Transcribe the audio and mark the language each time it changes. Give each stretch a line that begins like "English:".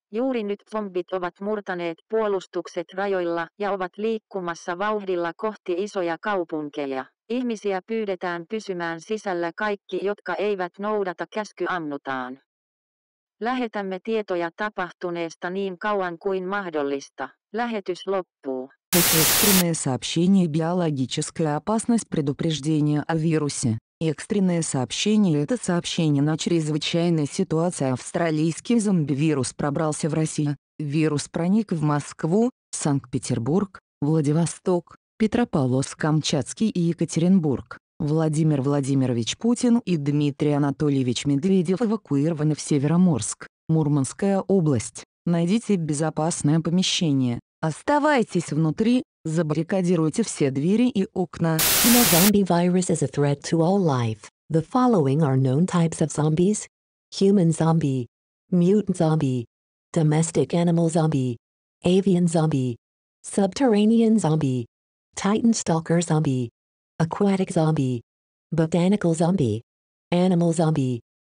Finnish: Juuri nyt zombit ovat murtaneet puolustukset rajoilla ja ovat liikkumassa vauhdilla kohti isoja kaupunkeja. Ihmisiä pyydetään pysymään sisällä, kaikki, jotka eivät noudata käsky ammutaan. Lähetämme tietoja tapahtuneesta niin kauan kuin mahdollista. Lähetys loppuu.
Russian: Экстренное сообщение. Биологическая опасность предупреждения о вирусе. Экстренное сообщение. Это сообщение на чрезвычайной ситуации. Австралийский зомби-вирус пробрался в Россию. Вирус проник в Москву, Санкт-Петербург, Владивосток, Петропавловск-Камчатский и Екатеринбург. Владимир Владимирович Путин и Дмитрий Анатольевич Медведев эвакуированы в Североморск, Мурманская область. Найдите безопасное помещение. Оставайтесь внутри, забаррикадируйте все двери и окна.
English: The zombie virus is a threat to all life. The following are known types of zombies. Human zombie. Mutant zombie. Domestic animal zombie. Avian zombie. Subterranean zombie. Titan stalker zombie. Aquatic zombie. Botanical zombie. Animal zombie.